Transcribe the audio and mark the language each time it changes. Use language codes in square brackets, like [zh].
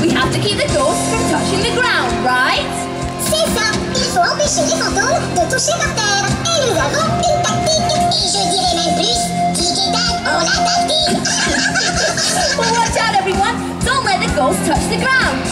[en] We have to keep the ghost from touching the ground, right? [fr] C'est ça, il faut empêcher les fantômes de toucher la terre. Et nous avons une tactique. Et je dirais même plus, on a tactique. [en] Watch out everyone, don't let the ghost touch the ground.